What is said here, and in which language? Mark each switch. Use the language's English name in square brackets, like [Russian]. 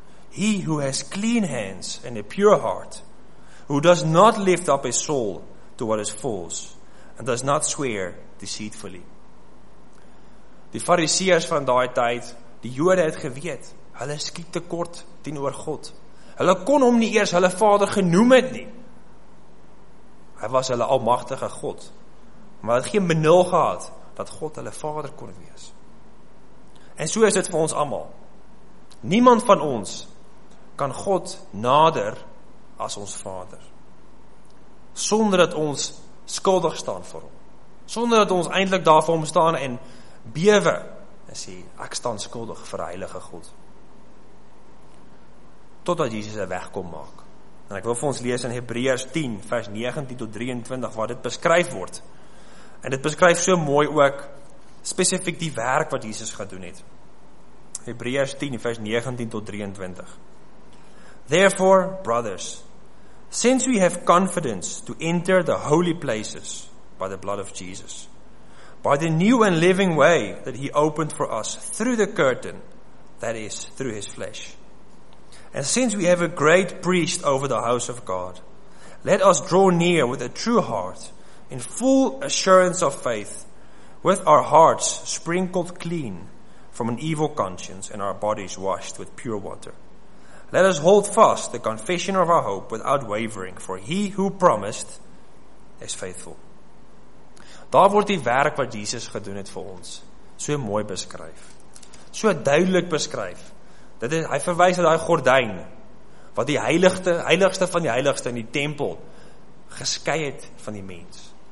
[English] He who has clean hands and a pure heart, who does not lift up his soul to what is false, and does not swear deceitfully." [Afrikaans] Die fariseers van daai tyd, die jode het geweet, hulle skiet te kort teenoor God. Hulle kon hom nie eers hulle Vader genoem het nie. Hy was hulle almagtige God, maar het geen benul gehad dat God hulle Vader kon wees. En so is dit vir ons allemaal. Niemand van ons kan God nader as ons Vader, sonder dat ons skuldig staan vir hom, sonder dat ons eindelijk daar vir hom staan en bewe en sê, ek staan skuldig vir die Heilige God, totdat Jesus een weg kom maak. En ek wil vir ons lees in Hebreërs 10 vers 19 tot 23 waar dit beskryf word, en dit beskryf so mooi ook spesifiek die werk wat Jesus gedoen het. Hebreërs 10 vers 19 tot 23. [English] "Therefore, brothers, since we have confidence to enter the holy places by the blood of Jesus, by the new and living way that he opened for us through the curtain, that is, through his flesh, and since we have a great priest over the house of God, let us draw near with a true heart, in full assurance of faith, with our hearts sprinkled clean from an evil conscience and our bodies washed with pure water. Let us hold fast the confession of our hope without wavering, for he who promised is faithful." [Afrikaans] Daar word die werk wat Jesus gedoen het vir ons so mooi beskryf, so duidelik beskryf. Dit is, hy verwys na die gordyn wat die heiligste van die heiligste in die tempel geskei het van die mens.